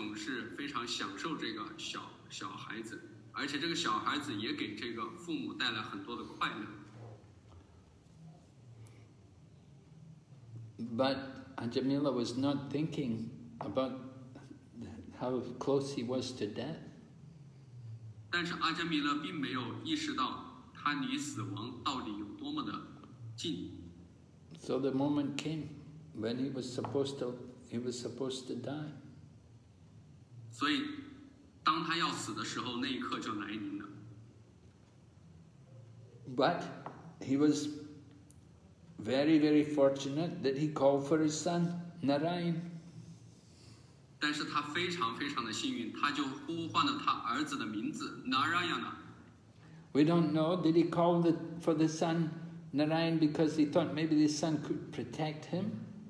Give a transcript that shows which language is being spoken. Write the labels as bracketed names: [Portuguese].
[Chinese] 阿加米勒也总是非常享受这个小孩子, 而且这个小孩子也给这个父母带来很多的快乐。 [English] But Ajamila was not thinking about how close he was to death. [Chinese] 但是阿加米勒并没有意识到他离死亡到底有多么的近。 [English] So the moment came when he was supposed to die. [Chinese] 所以当他要死的时候，那一刻就来临了。 [English] But he was very, very fortunate that he called for his son, Narayan. [Chinese] 但是他非常非常的幸运，他就呼唤了他儿子的名字 Narayana. [English] We don't know, did he call for the son Narayan because he thought maybe the son could protect him?